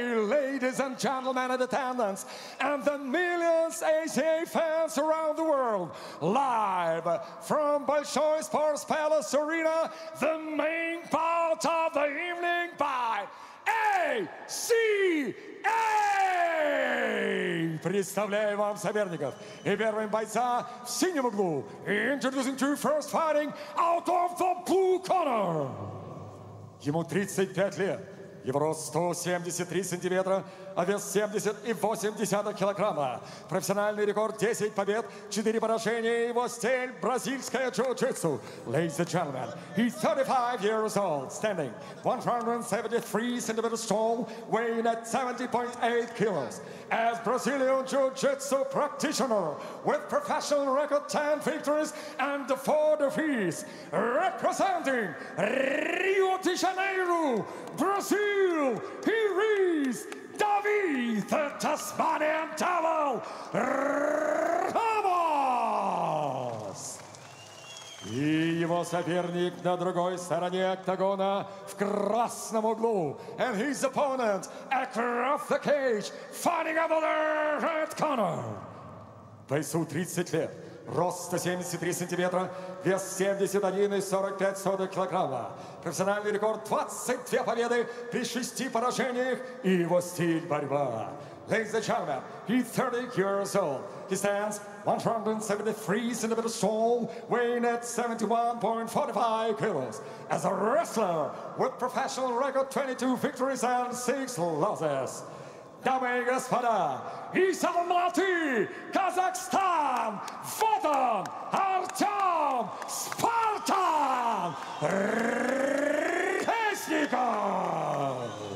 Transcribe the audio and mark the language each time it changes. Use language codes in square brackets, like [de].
[en] Ladies and gentlemen in attendance and the millions ACA fans around the world live from «Большой Sports Palace Arena, the main part of the evening by ACA! [ru] Представляю вам соперников и первым бойца в синем углу. [en] Introducing to first fighting out of the blue corner. [ru] Ему 35 лет. Его рост 173 сантиметра, а вес 70,8 килограмма. Профессиональный рекорд 10 побед, 4 поражения. Его стиль бразильское джиу-джитсу. [en] Ladies and gentlemen, he's 35 years old, standing 173 centimeters tall, weighing at 70.8 kilos. As Brazilian jiu-jitsu practitioner, with professional record 10 victories and 4 defeats, representing Rio de Janeiro, Brazil, he is Davi the Tasmanian Devil Ramos. [ru] И его соперник на другой стороне октагона в красном углу. [en] And his opponent across the cage fighting over the red corner. [ru] Весу 30 лет. Рост 173 сантиметра, вес 71,45 килограмма. Профессиональный рекорд 22 победы при 6 поражениях и его стиль борьба. [en] Ladies and gentlemen, he's 30 years old. He stands 173 centimeters tall, weighing at 71.45 kilos. As a wrestler with professional record 22 victories and 6 losses. [ru] Дамы и господа, из Алматы, Казахстан, вот он, Артем Спартан Резников!